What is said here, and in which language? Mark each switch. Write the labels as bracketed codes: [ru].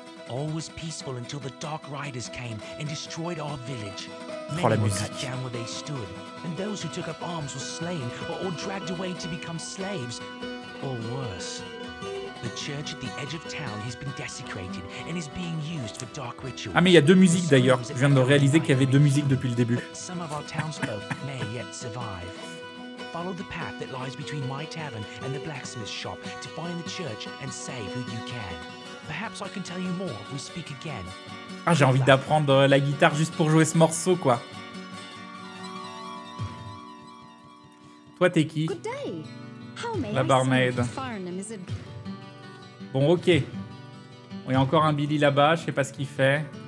[en] All was peaceful until the Dark Riders came and destroyed our village. Many were cut down where they stood, and those who took up arms were slain or dragged away to become slaves, or worse. The church at the edge of town has been desecrated and is being used for dark rituals. [fr] Ah mais il y a deux musiques d'ailleurs. Je viens de réaliser qu'il y avait deux musiques depuis le début. [en] Some of our townsfolk may yet survive. Follow the path that lies between my tavern and the blacksmith's shop to find the church and save who you can. Perhaps I can tell you more if we speak again. [fr] Ah, j'ai envie d'apprendre la guitare juste pour jouer ce morceau, quoi. Toi, t'es qui? La barmaid. Bon, ok. Il y a encore un Billy là-bas, je sais pas ce qu'il fait.